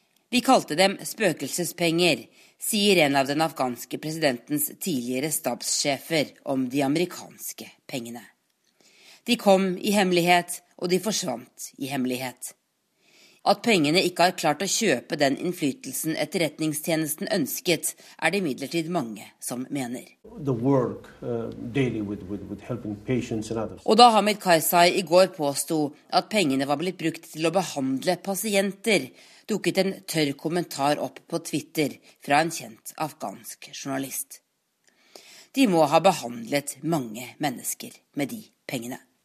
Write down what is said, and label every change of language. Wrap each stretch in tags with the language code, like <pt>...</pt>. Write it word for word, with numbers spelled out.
<no>Vi kalte dem spøkelsespenger, sier en av den afghanske presidentens tidligere stabssjefer om de amerikanske pengene. De kom i hemmelighet, og de forsvant i hemmelighet. At pengene ikke har klart å kjøpe den innflytelsen etterretningstjenesten ønsket, er det imidlertid mange som mener.</no> <en>The work, uh, daily with, with, with helping patients and others.</en> <no>Og da Hamid Karzai i går påstod at pengene var blitt brukt til å behandle pasienter, dukket en tørr kommentar opp på Twitter fra en kjent afghansk journalist. De må ha behandlet mange mennesker med de pengene.</no>